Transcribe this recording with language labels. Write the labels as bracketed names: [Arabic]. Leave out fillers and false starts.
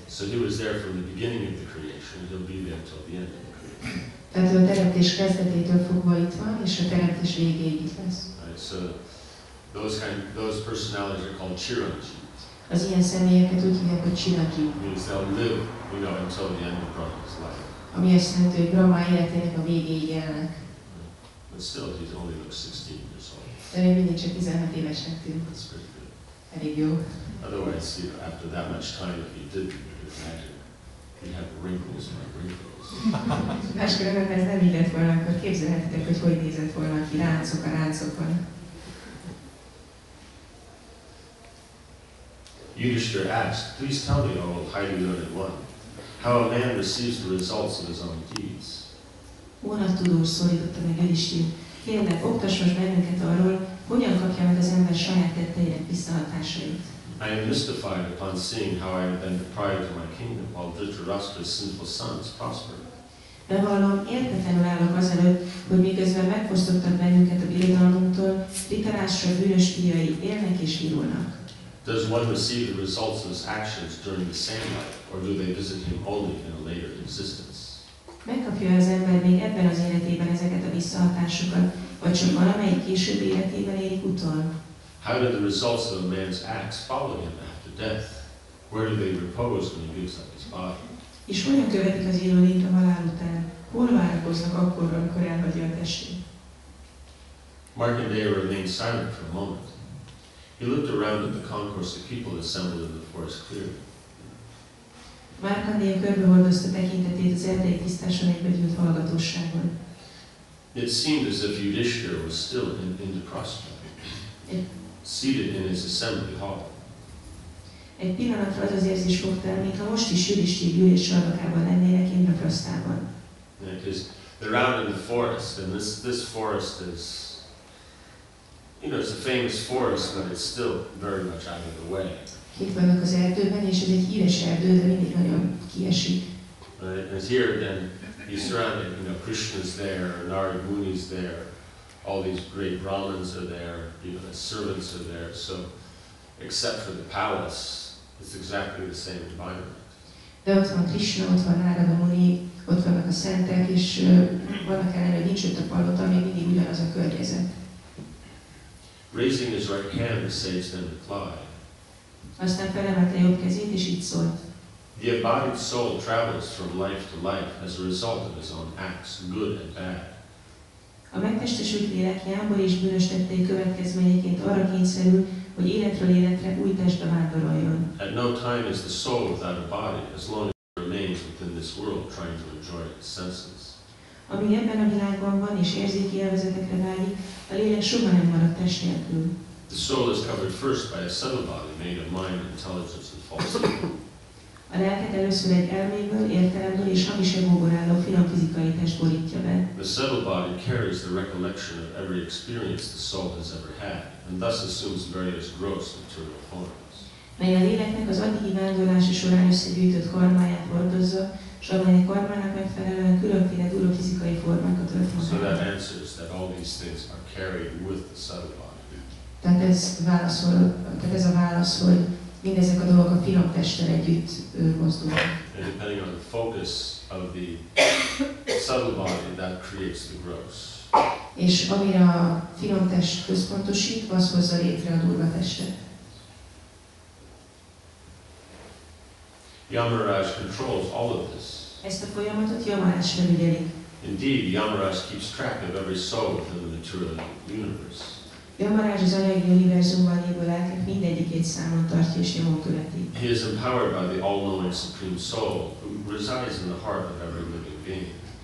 [English] So he was there from the beginning of the creation, he'll be there until the end of the creation. [Hungarian] Tehát a teremtés kezdetétől fogva itt van, és a teremtés végéig itt lesz. [English] Those personalities are called chiranjeevs. [Hungarian] Az ilyen személyeket úgy hívják, hogy chiranjeev. [English] Means they'll live, you know, until the end of Brahma's life. [Hungarian] Ami azt jelenti, hogy Brahma életének a végéig élnek. [English] But still, he only looks 16 years old. [Hungarian] De még mindig csak 16 évesnek tűnt. [English] That's pretty good. [Hungarian] Elég jó. [English] Otherwise, you know, after that much time that he did, you could imagine, he'd have wrinkles like wrinkles. [Hungarian] Máskülönben ez nem illet volna, akkor képzelhetitek, hogy hogy nézett volna ki ráncok a ráncokon. [English] Yudhishthira asked, please tell me, O highly learned one, how a man receives the results of his own deeds. [Hungarian] Vona tudós szólította meg Yudhishthira, kérlek, oktass most bennünket arról, hogyan kapja meg az ember saját tetteinek visszahatásait. [English] I am mystified upon seeing how I have been deprived of my kingdom while Dhritarashtra's sinful sons prosper. [Hungarian] Bevallom, értetlenül állok azelőtt, hogy miközben megfosztottak bennünket a birodalmunktól, Dhritarashtra bűnös fiai élnek és virulnak. [English] Does one receive the results of his actions during the same life, or do they visit him only in a later existence? [Hungarian] Megkapja az ember még ebben az életében ezeket a visszahatásokat, vagy csak valamelyik később életében érik utol? [English] How do the results of a man's acts follow him after death? Where do they repose when he gives up his body? [Hungarian] És hogyan követik az élőlényt a halál után? Hol várakoznak akkor, amikor elhagyja a testét? [English] Markandeya remained silent for a moment. He looked around at the concourse of people assembled in the forest clearing. [Hungarian] Markandeya körbehordozta tekintetét az erdei tisztáson egybegyűlt hallgatóságon. [English] It seemed as if Yudhishthira was still in Indraprastha, seated in his assembly hall. [Hungarian] Egy pillanatra az érzés fogta el, mintha most is Yudhishthira gyűlés sarkában lennének Indraprasthában. [English] Because they're out in the forest, and this forest is, you know, it's a famous forest, but it's still very much out of the way. [Hungarian] Itt vannak az erdőben, és ez egy híres erdő, de mindig nagyon kiesik. [English] And here, then, he's surrounded, you know, Krishna's there, Narada Muni's there, all these great Brahmins are there, even the servants are there, so except for the palace, it's exactly the same environment. [Hungarian] De ott van Krishna, ott van Narada Muni, ott vannak a szentek, és vannak ellenére nincs ott a palota, még mindig ugyanaz a környezet. [English] Raising his right hand, the sage then replied. [Hungarian] Aztán felemelte jobb kezét, és így szólt. [English] The embodied soul travels from life to life as a result of his own acts, good and bad. [Hungarian] A megtestesült lélek jámbor és bűnös tettei következményeként arra kényszerül, hogy életről életre új testbe vándoroljon. [English] At no time is the soul without a body, as long as it remains within this world trying to enjoy its senses. [Hungarian] Amíg ebben a világban van és érzéki élvezetekre vágyik, a lélek soha nem marad test nélkül. [English] The soul is covered first by a subtle body made of mind, intelligence and falsity. [Hungarian] A lelket először egy elméből, értelemből és hamis egóból álló finom fizikai test borítja be. [English] The subtle body carries the recollection of every experience the soul has ever had, and thus assumes various gross material forms. [Hungarian] Mely a léleknek az addigi vándorlása során összegyűjtött karmáját hordozza, s amely karmának megfelelően különféle duró fizikai formákat ölt magát. [English] So that answers that all these things are carried with the subtle body. [Hungarian] Tehát ez a válasz, hogy mindezek a dolgok a finom testtel együtt mozdulnak. [English] And depending on the focus of the subtle body, that creates the gross. [Hungarian] És amire a finom test központosít, az hozza létre a durva testet. [English] Yamaraj controls all of this. [Hungarian] Ezt a folyamatot Yamaraj felügyeli. [English] Indeed, Yamaraj keeps track of every soul within the material universe. [Hungarian] Yamaraj az anyagi univerzumban lévő lelkek mindegyikét számon tartja és nyomon követi. [English] He is empowered by the all-knowing supreme soul who resides in the heart of every living being.